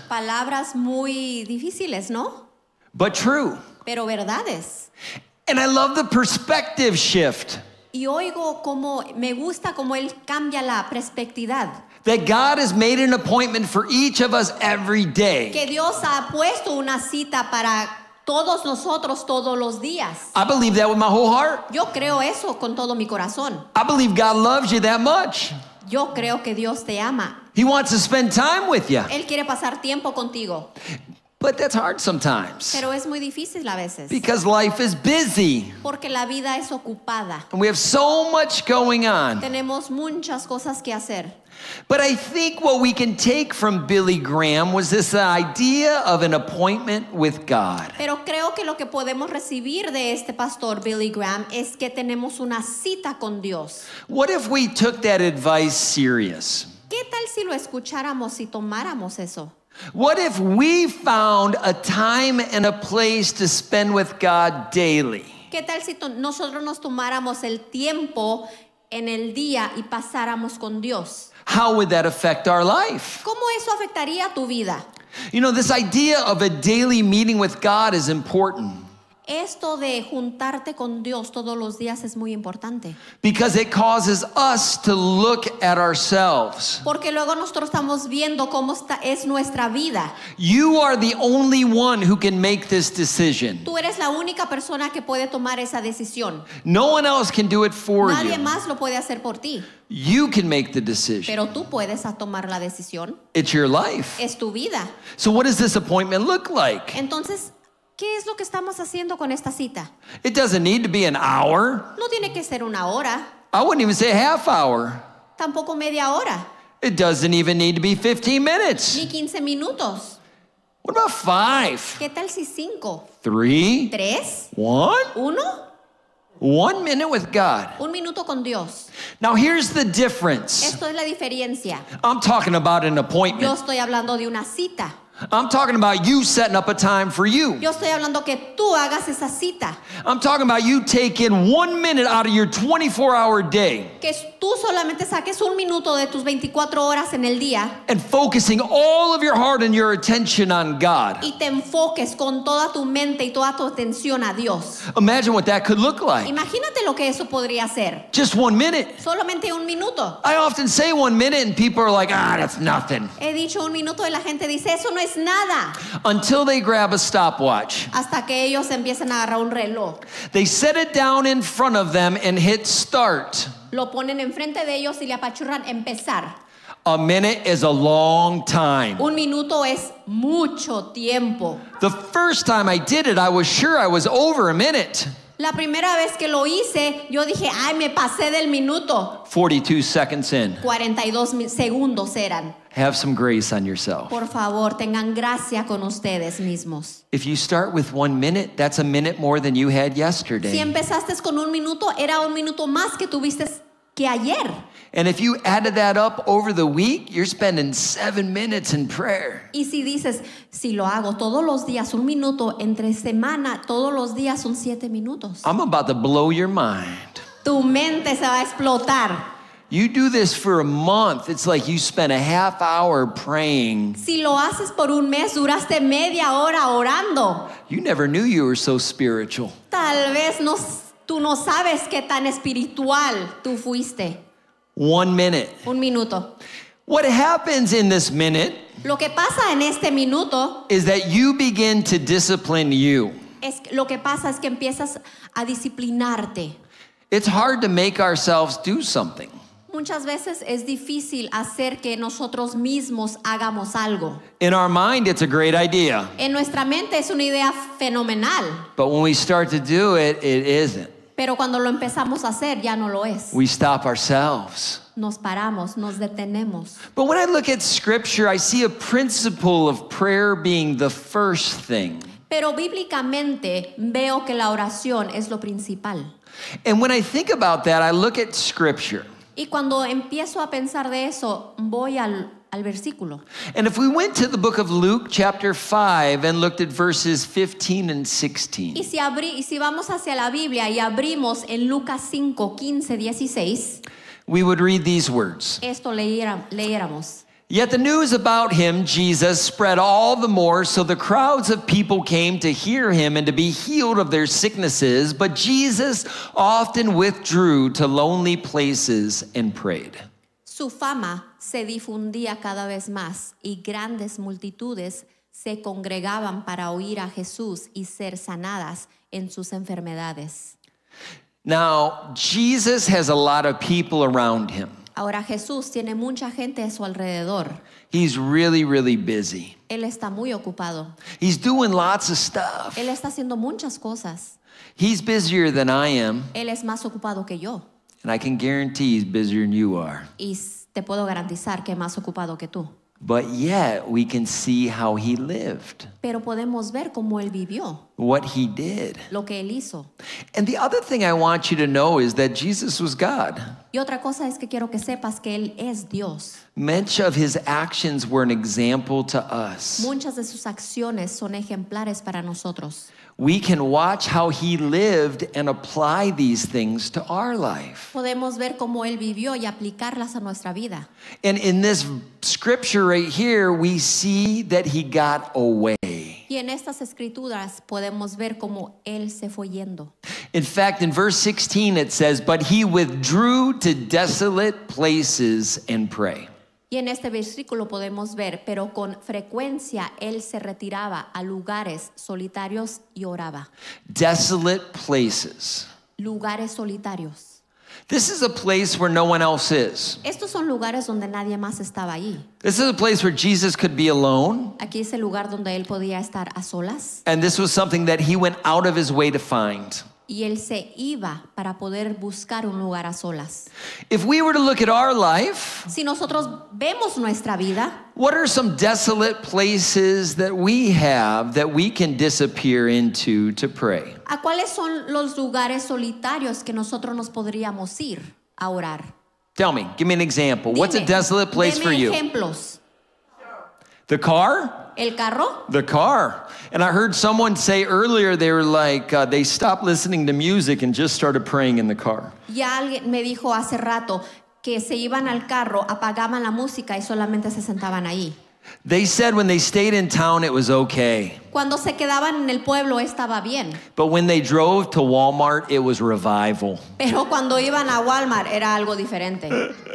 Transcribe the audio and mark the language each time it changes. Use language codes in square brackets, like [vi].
[es] Palabras muy difíciles, ¿no? [en] But true. [es] Pero verdades. [en] And I love the perspective shift. [es] Y oigo como, me gusta como él cambia la perspectiva. [en] That God has made an appointment for each of us every day. [es] Que Dios ha puesto una cita para todos nosotros todos los días. [en] I believe that with my whole heart. [es] Yo creo eso con todo mi corazón. [en] I believe God loves you that much. [es] Yo creo que Dios te ama. [en] He wants to spend time with you. [es] Él quiere pasar tiempo contigo. [en] But that's hard sometimes. [es] Pero es muy difícil a veces. [en] Because life is busy. [es] Porque la vida es ocupada. [en] And we have so much going on. [es] Tenemos muchas cosas que hacer. [en] But I think what we can take from Billy Graham was this idea of an appointment with God. [es] Pero creo que lo que podemos recibir de este pastor Billy Graham es que tenemos una cita con Dios. [en] What if we took that advice serious? [es] ¿Qué tal si lo escucháramos y tomáramos eso? [en] What if we found a time and a place to spend with God daily? [es] ¿Qué tal si nosotros nos tomáramos el tiempo en el día y pasáramos con Dios? [en] How would that affect our life? [es] ¿Cómo eso afectaría tu vida? [en] You know, this idea of a daily meeting with God is important. [es] Esto de juntarte con Dios todos los días es muy importante. [en] Because it causes us to look at ourselves. [es] Porque luego nosotros estamos viendo cómo está, es nuestra vida. [en] You are the only one who can make this decision. [es] Tú eres la única persona que puede tomar esa decisión. [en] No one else can do it for [es] Nadie [en] you. [es] Nadie más lo puede hacer por ti. [en] You can make the decision. [es] Pero tú puedes tomar la decisión. [en] It's your life. [es] Es tu vida. [en] So what does this appointment look like? [es] Entonces, ¿qué es lo que estamos haciendo con esta cita? [en] It doesn't need to be an hour. [es] No tiene que ser una hora. [en] I wouldn't even say half hour. [es] Tampoco media hora. [en] It doesn't even need to be 15 minutes. [es] Ni 15 minutos. [en] What about five? [es] ¿Qué tal si cinco? [en] Three? [es] Tres? [en] One? [es] Uno? [en] 1 minute with God. [es] Un minuto con Dios. [en] Now here's the difference. [es] Esto es la diferencia. [en] I'm talking about an appointment. [es] Yo estoy hablando de una cita. [en] I'm talking about you setting up a time for you. [es] Yo estoy hablando que tú hagas esa cita. [en] I'm talking about you taking 1 minute out of your 24-hour day. [es] Que tú solamente saques un minuto de tus 24 horas en el día. [en] And focusing all of your heart and your attention on God. [es] Y te enfoques con toda tu mente y toda tu atención a Dios. [en] Imagine what that could look like. [es] Imagínate lo que eso podría ser. [en] Just 1 minute. [es] Solamente un minuto. [en] I often say 1 minute and people are like, ah, that's nothing. [es] He dicho un minuto y la gente dice, eso no es nada. [en] Until they grab a stopwatch. [es] Hasta que ellos empiezan a agarrar un reloj. [en] They set it down in front of them and hit start. [es] Lo ponen enfrente de ellos y le apachurran empezar. [en] A minute is a long time. [es] Un minuto es mucho tiempo. [en] The first time I did it, I was sure I was over a minute. [es] La primera vez que lo hice, yo dije, ay, me pasé del minuto. [en] 42 seconds in. [es] 42 segundos eran. [en] Have some grace on yourself. [es] Por favor, tengan gracia con ustedes mismos. [en] If you start with 1 minute, that's a minute more than you had yesterday. [es] Si empezaste con un minuto, era un minuto más que tuviste que ayer. [en] And if you added that up over the week, you're spending 7 minutes in prayer. [es] Y si dices, si lo hago todos los días, un minuto, entre semana, todos los días son 7 minutos. [en] I'm about to blow your mind. [es] Tu mente se va a explotar. [en] You do this for a month, it's like you spend a half hour praying. [es] Si lo haces por un mes, duraste media hora orando. [en] You never knew you were so spiritual. [es] Tal vez no, tú no sabes qué tan espiritual tú fuiste. [en] 1 minute. [es] Un minuto. [en] What happens in this minute? [es] Lo que pasa en este minuto [en] is that you begin to discipline you. [es] Es lo que pasa es que empiezas a disciplinarte. [en] It's hard to make ourselves do something. [es] Muchas veces es difícil hacer que nosotros mismos hagamos algo. [en] In our mind, it's a great idea. [es] En nuestra mente es una idea fenomenal. [en] But when we start to do it, it isn't. [es] Pero cuando lo empezamos a hacer, ya no lo es. [en] We stop ourselves. [es] Nos paramos, nos detenemos. [en] But when I look at Scripture, I see a principle of prayer being the first thing. [es] Pero bíblicamente veo que la oración es lo principal. [en] And when I think about that, I look at Scripture. [es] Y cuando empiezo a pensar de eso, voy al versículo. [en] And if we went to the book of Luke, chapter 5, and looked at verses 15 and 16. [es] Y si vamos hacia la Biblia y abrimos en Lucas 5, 15, 16. [en] We would read these words. [es] Esto leyéramos. [en] Yet the news about him, Jesus, spread all the more, so the crowds of people came to hear him and to be healed of their sicknesses. But Jesus often withdrew to lonely places and prayed. [es] Su fama se difundía cada vez más, y grandes multitudes se congregaban para oír a Jesús y ser sanadas en sus enfermedades. [en] Now, Jesus has a lot of people around him. [es] Ahora Jesús tiene mucha gente a su alrededor. [en] He's really, really busy. [es] Él está muy ocupado. [en] He's doing lots of stuff. [es] Él está haciendo muchas cosas. [en] He's busier than I am. [es] Él es más ocupado que yo. [en] And I can guarantee he's busier than you are. [es] Y te puedo garantizar que es más ocupado que tú. [en] But yet we can see how he lived. [es] Pero podemos ver cómo él vivió. [en] What he did. [es] Lo que él hizo. [en] And the other thing I want you to know is that Jesus was God. [es] Y otra cosa es que quiero que sepas que él es Dios. [en] Much of his actions were an example to us. [es] Muchas de sus acciones son ejemplares para nosotros. [en] We can watch how he lived and apply these things to our life. [es] Podemos ver cómo él vivió y aplicarlas a nuestra vida. [en] And in this scripture right here, we see that he got away. [es] Y en estas escrituras podemos ver cómo él se fue yendo. [en] In fact, in verse 16 it says, but he withdrew to desolate places and pray. [es] Y en este versículo podemos ver, pero con frecuencia él se retiraba a lugares solitarios y oraba. [en] Desolate places. [es] Lugares solitarios. [en] This is a place where no one else is. [es] Estos son lugares donde nadie más estaba ahí. [en] This is a place where Jesus could be alone. [es] Aquí es el lugar donde él podía estar a solas. [en] And this was something that he went out of his way to find. [es] Y él se iba para poder buscar un lugar a solas. [en] If we were to look at our life, [es] si nosotros vemos nuestra vida, [en] what are some desolate places that we have that we can disappear into to pray? [es] ¿A cuáles son los lugares solitarios que nosotros nos podríamos ir a orar? [en] Tell me, give me an example. [es] Dime, [en] what's a desolate place for you? [es] Dime ejemplos. [en] The car? [es] El carro? [en] The car. And I heard someone say earlier they were like they stopped listening to music and just started praying in the car. [es] Y alguien me dijo hace rato que se iban al carro, apagaban la música y solamente se sentaban ahí. [en] They said when they stayed in town it was okay. [es] Cuando se quedaban en el pueblo estaba bien. [en] But when they drove to Walmart it was revival. [es] Pero cuando iban a Walmart era algo diferente.